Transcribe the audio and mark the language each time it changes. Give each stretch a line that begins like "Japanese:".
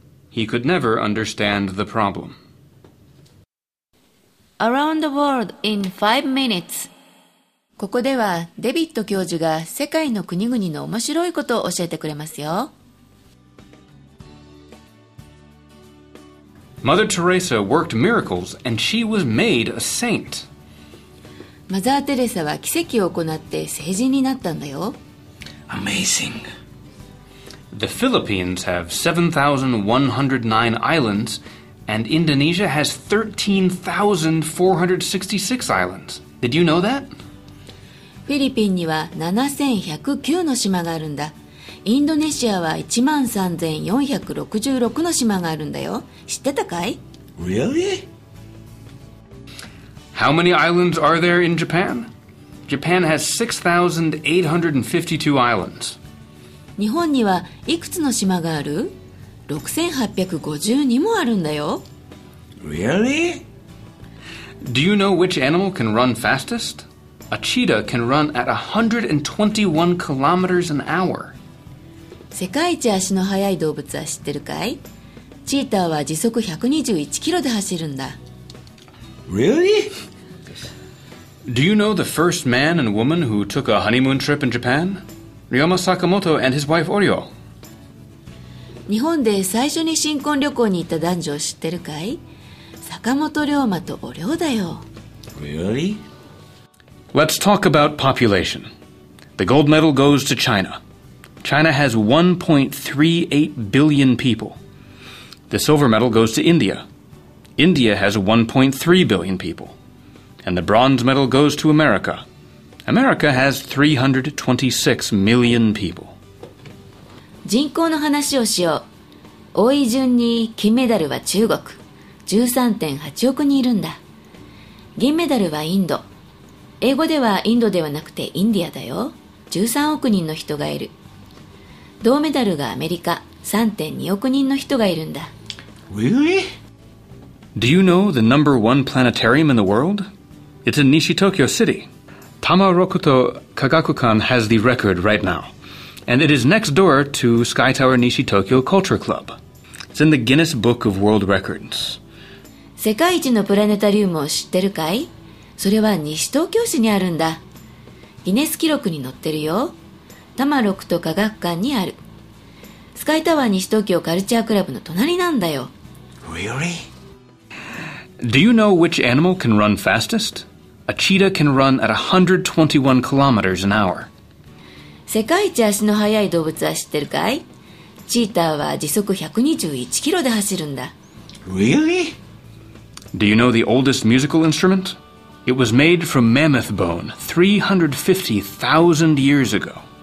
English: He could never understand the problem. Around the world in 5 minutes.
Japanese: ここではデビット教授が世界の国々の面白いことを教えてくれますよ。
English: Mother Teresa worked miracles and she was made a saint.
Japanese: Mother Teresa は奇跡を行って聖人になったんだよ。
English: Amazing. The Philippines have 7,109 islands and Indonesia has 13,466 islands. Did you know that?
Japanese: フィリピンには7,109の島があるんだ。インドネシアは 13,466 の島があるんだよ。知ってたかい?
English: Really? How many islands are there in Japan? Japan has 6,852 islands.
Japanese: 日本にはいくつの島がある? 6,852 もあるんだよ。
English: Really? Do you know which animal can run fastest? A cheetah can run at 121 kilometers an hour.
Japanese: 世界一足の速い動物は知ってるかい?チーターは時速121キロで走るんだ。
English: Really? Do you know the first man and woman who took a honeymoon trip in Japan? Ryoma Sakamoto and his wife Oryo.
Japanese: 日本で最初に新婚旅行に行った男女を知ってるかい? 坂本龍馬とおりょうだよ。
English: Really? Let's talk about population. The gold medal goes to China. China has 1.38 billion people. The silver medal goes to India. India has 1.3 billion people. And the bronze medal goes to America. America has 326 million people.
Japanese: 人口の話をしよう。多い順に金メダルは中国。13.8 億人いるんだ。銀メダルはインド。英語ではインドではなくてインディアだよ。 13億人の人がいる。銅メダルがアメリカ、3.2 億人の人がいるんだ。
English: Really? Do you know the number one planetarium in the world? It's in Nishi Tokyo City. Tamarokuto Kagakukan has the record right now. And it is next door to Sky Tower Nishi Tokyo Culture Club. It's in the Guinness Book of World Records.
Japanese: 世界一のプラネタリウムを知ってるかい?それは西東京市にあるんだ。ギネス記録に載ってるよ。タマロクト科学館にある。スカイタワー西東京カルチャークラブの隣なんだよ。
English: Really? Do you know which animal can run fastest? A cheetah can run at 121 kilometers an hour.
Japanese: 世界一足の速い動物は知ってるかい？チーターは時速121キロで走るんだ。
English: Really? Do you know the oldest musical instrument? It was made from mammoth bone 350,000 years ago.